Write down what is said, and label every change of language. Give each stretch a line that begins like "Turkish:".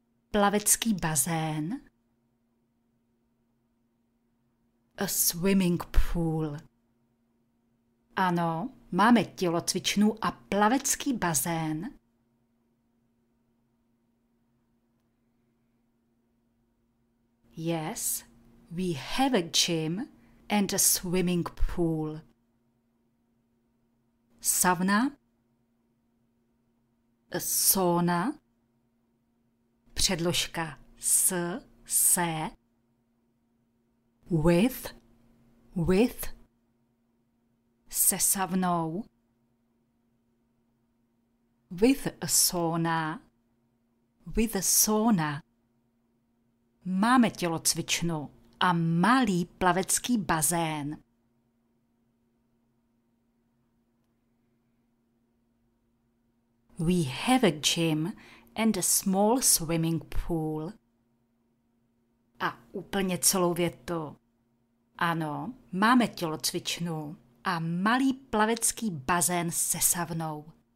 Czech: Plavecký bazén.
English: A swimming pool.
Czech: Ano, máme tělocvičnu a plavecký bazén.
English: Yes, we have a gym and a swimming pool.
Czech: Sauna.
English: A sauna.
Czech: Předložka s, se.
English: With, with.
Czech: Se saunou.
English: With a sauna. With a sauna.
Czech: Máme tělocvičnu a malý plavecký bazén.
English: We have a gym and a small swimming pool.
Czech: A úplně celou větu. Ano, máme tělocvičnu a malý plavecký bazén se saunou.